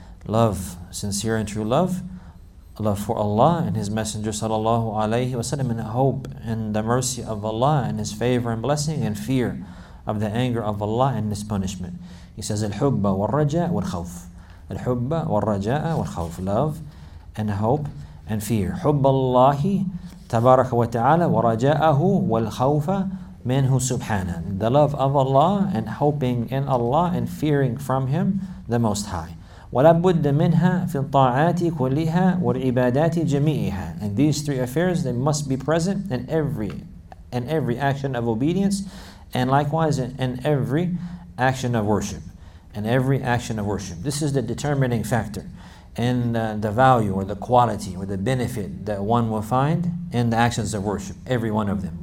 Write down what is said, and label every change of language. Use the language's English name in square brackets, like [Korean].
[English] Love, sincere and true love. Love for Allah and His Messenger sallallahu alayhi wa sallam, and hope in the mercy of Allah and His favor and blessing, and fear of the anger of Allah and His punishment. He says, Al-Hubba wal-Raja wal-Khawf. [Arabic] الحب والرجاء والخوف, [English] love and hope and fear. [Arabic] حب الله تبارك وتعالى ورجاءه والخوف منه سبحانه. [English] The love of Allah and hoping in Allah and fearing from Him the Most High. [Arabic] ولا بد منها في الطاعات كلها والعبادات جميعها. [English] And these three affairs, they must be present in every action of obedience, and likewise in every action of worship. This is the determining factor in the value or the quality or the benefit that one will find in the actions of worship, every one of them.